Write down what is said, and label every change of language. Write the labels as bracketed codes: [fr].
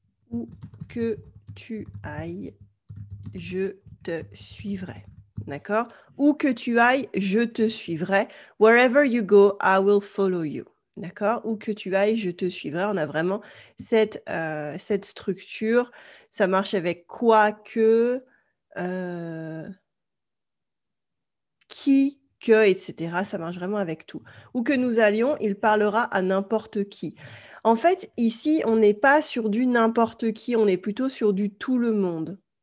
[fr] Où que tu ailles, je te suivrai. D'accord? Où que tu ailles, je te suivrai. [en] Wherever you go, I will follow you. [fr] D'accord? Où que tu ailles, je te suivrai. On a vraiment cette structure. Ça marche avec quoi que, qui que, etc. Ça marche vraiment avec tout. Où que nous allions, il parlera à n'importe qui. En fait, ici, on n'est pas sur du n'importe qui, on est plutôt sur du tout le monde.